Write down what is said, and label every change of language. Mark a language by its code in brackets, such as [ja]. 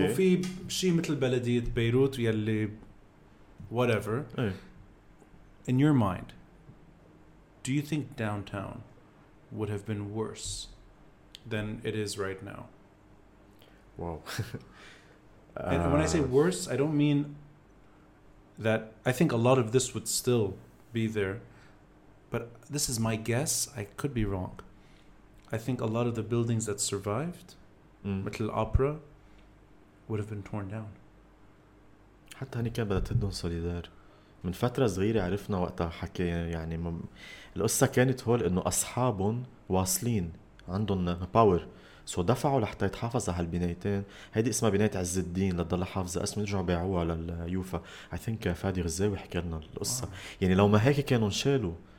[ar] وفي شيء مثل بلدية بيروت يلي [en] Whatever. Hey. In your mind, do you think downtown would have been worse than it is right now? Wow. And when I say worse, I don't mean that I think a lot of this would still be there. But this is my guess. I could be wrong. I think a lot of the buildings that survived, Metal Opera, would have been torn down. [ar] حتى هني كان بدها تهدون سوليدار من فترة صغيرة عرفنا وقتها حكي يعني القصة كانت هول انه اصحابهم واصلين عندهم باور سو دفعوا لحتى يتحافظ على هالبنايتين هيدي اسمها بناية عز الدين لتضل حافظة اسمه يرجعوا بيعوها لليوفا [en] I think [ar] فادي غزاوي حكي لنا القصة يعني لو ما هيك كانوا نشالوا